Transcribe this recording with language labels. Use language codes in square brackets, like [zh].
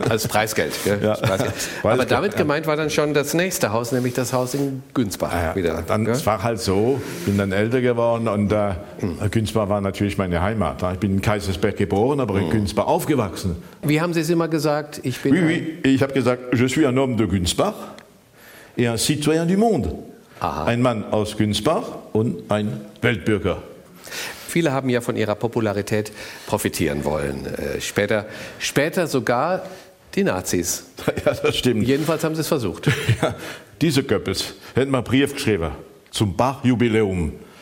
[de] Als Preisgeld. Ja. Preisgeld. Aber damit gemeint war dann schon das nächste Haus, nämlich das Haus in Günzbach. Es war halt so, bin dann älter geworden und Günzbach war natürlich meine Heimat. Ich bin in Kaisersberg geboren, aber in Günzbach aufgewachsen. Wie haben Sie es immer gesagt? Ich bin. [fr] Oui, [de] ich habe gesagt, [fr] je suis un homme de Günzbach et un citoyen du monde. [de] Aha. Ein Mann aus Günzbach und ein Weltbürger. Viele haben ja von ihrer Popularität profitieren wollen. Später sogar die Nazis. Ja, das stimmt. Jedenfalls haben sie es versucht. Ja, diese Goebbels hätten mir einen Brief geschrieben zum Bach-Jubiläum.